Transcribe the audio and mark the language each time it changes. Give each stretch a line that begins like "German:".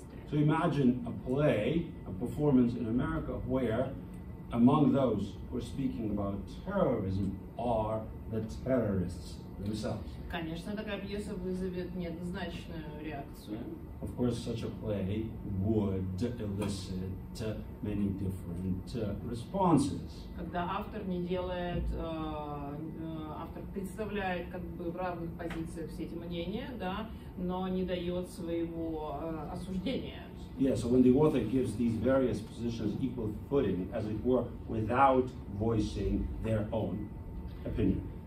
English: So imagine a play, a performance in America, where among those who are speaking about terrorism are the terrorists themselves.
Russian: Конечно, такая пьеса вызовет неоднозначную реакцию.
English: Of course, such a play would elicit many different responses.
Russian: Когда автор не делает, автор представляет как бы в разных позициях все эти мнения, да, но не дает своего осуждения.
English: Yeah, so when the author gives these various positions equal footing, as it were, without voicing their own opinion.